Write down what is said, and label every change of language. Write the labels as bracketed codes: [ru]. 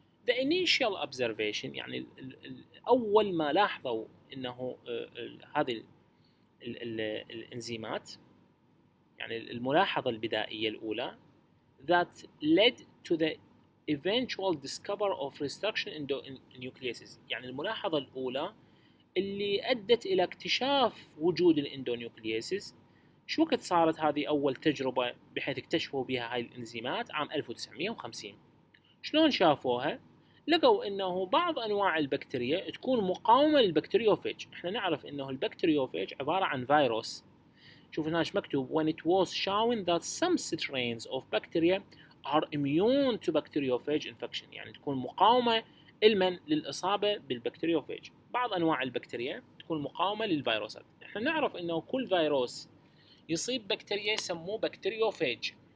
[en] The initial observation [ar] يعني أول ما لاحظوا إنه هذه الإنزيمات يعني الملاحظة البدائية الأولى [en] that led to the eventual discovery of restriction in endonucleases، [ar] يعني الملاحظة الأولى اللي أدت إلى اكتشاف وجود الإندونيوكلياسز. شو كانت صارت هذه أول تجربة بحيث اكتشفوا بها هاي الإنزيمات عام 1950؟ شلون شافوها؟ لقوا إنه بعض أنواع البكتيريا تكون مقاومة للبكتيريوفيج. إحنا نعرف إنه البكتيريوفيج عبارة عن فيروس. شوف هناش مكتوب [en] when it was shown that some strains of bacteria are immune to bacteriophage infection، [ar] يعني تكون مقاومة لمن؟ للإصابة بالبكتيريوفيج. بعض أنواع البكتيريا تكون مقاومة للفيروسات. إحنا نعرف إنه كل فيروس يصيب بكتيريا يسموه بكتيريوفيج.